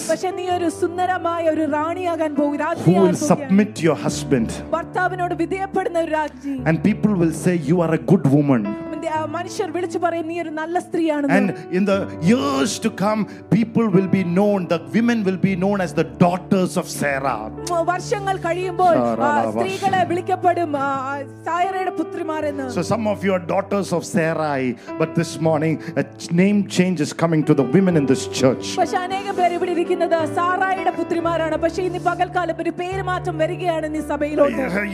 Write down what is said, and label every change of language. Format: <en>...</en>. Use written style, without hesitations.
<ml>പക്ഷേ നീ ഒരു സുന്ദരമായ ഒരു റാണിയാകാൻ പോകുന്നു.</ml> <en>Who will submit your husband?</en> <ml>ഭർത്താവിനോട് വിധേയപ്പെടുന്ന ഒരു രാജ്ഞി.</ml> <en>And people will say you are a good woman.</en> <ml>മനുഷ്യർ വിളിച്ചു പറയും നീ ഒരു നല്ല സ്ത്രീയാണ്.</ml> <en>And in the years to come people will be known, the women will be known as the daughters of Sarah.</en> <ml>വർഷങ്ങൾ കഴിയുമ്പോൾ സ്ത്രീകളെ വിളിക്കപ്പെടും സാറായുടെ പുത്രിമാർ എന്ന്.</ml> <en>So some of you are daughters of Sarai, but this morning a name change is coming to the women in this church.</en> <ml>പക്ഷേ അനേകം പേര് ഇവിടെ ഇരിക്കുന്നത് സാറായുടെ പുത്രിമാരാണ്. പക്ഷേ ഇനി പകൽക്കാലം ഒരു പേര് മാറ്റം വരികയാണ് ഈ സഭയിലോട്ട്.</ml>